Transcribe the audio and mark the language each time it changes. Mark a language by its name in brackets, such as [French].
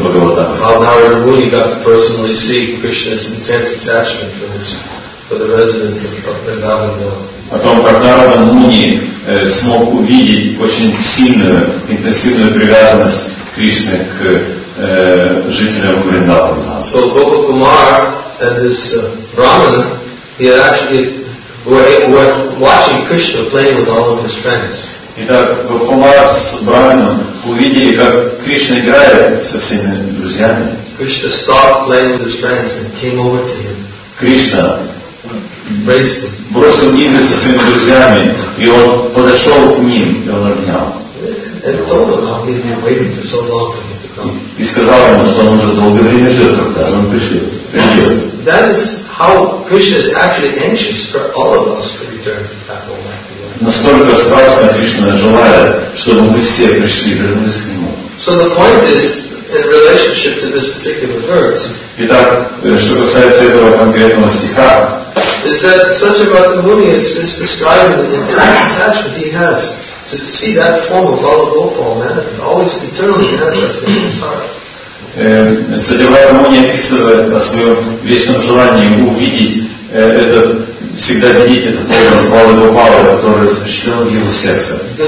[Russian] Бхагаватама. О том, как Нарада Муни смог увидеть очень сильную, интенсивную привязанность Кришны к жителям Вриндавана. [English] So Gopakumar and his Brahmana, he had actually were watching Krishna playing with all of his friends. [Russian] Итак, Gopakumar с Брахманом увидели, как Кришна играет со всеми друзьями. [English] Krishna stopped playing with his friends and came over to him. [Russian] Кришна [English] embraced him. [Russian] Бросил игры со своими друзьями, и он подошел к ним, и он обнял. [English] And told him how he had been waiting for so long for him to come. [Russian] И сказал ему, что он уже долгое время ждет, когда же он пришел. [English] That is how Krishna is actually anxious for all of us to return to that moment. [Russian] Настолько страстно Кришна желает, чтобы мы все пришли, вернулись к Нему. [English] So the point is, in relationship to this particular verse, [Russian] итак, что касается этого конкретного стиха, [English] is that Satyavrata Muni is describing the intense attachment he has to see that form of Lala Gopal manifest, always eternally manifesting in his heart. [Russian] Satyavrata Muni описывает о своем вечном желании увидеть этот всегда видите этот образ Балы Гопалы, который запечатлен в его сердце.